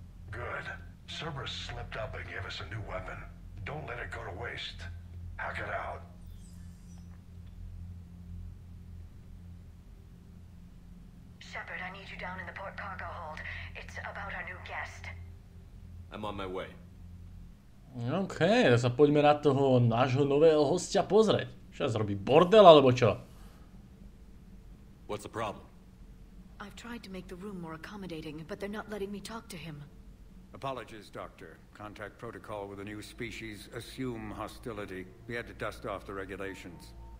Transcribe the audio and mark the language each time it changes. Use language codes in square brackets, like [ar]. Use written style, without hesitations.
[en] Good. Cerberus slipped up and gave us a new weapon. Don't let it go to waste. Hack it out. Shepard, I need you down in the port cargo hold. It's about our new guest. I'm on my way. [sk] Okay, tak sa poďme na toho nášho nového hostia pozrieť. Čo zrobí bordel alebo čo? [en] What's the problem? I've tried to make the room more accommodating, but they're not letting me talk to him. Apologies, Doctor. Contact protocol with a new species. Assume hostility. We had to dust off the regulations.